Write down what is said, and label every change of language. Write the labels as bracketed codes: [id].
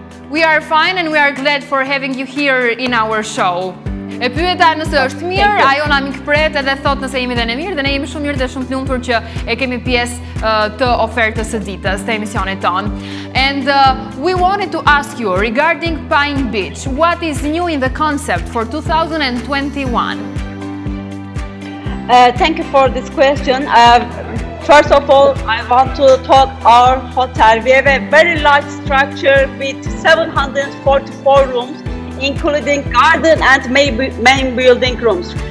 [en] We are fine and we are glad for having you here in our show. [sq] E pyeta nëse është mirë, ajo na mikpret edhe thot nëse jemi dhe në mirë, dhe ne jemi shumë mirë dhe shumë të lumtur që e kemi pjesë të ofertës së ditës, të emisionit tonë. [en] And we wanted to ask you regarding Pine Beach, what is new in the concept for 2021? Thank you for this question. First of all, I want to talk our hotel. We have a very large structure with 744 rooms, including garden and main building rooms.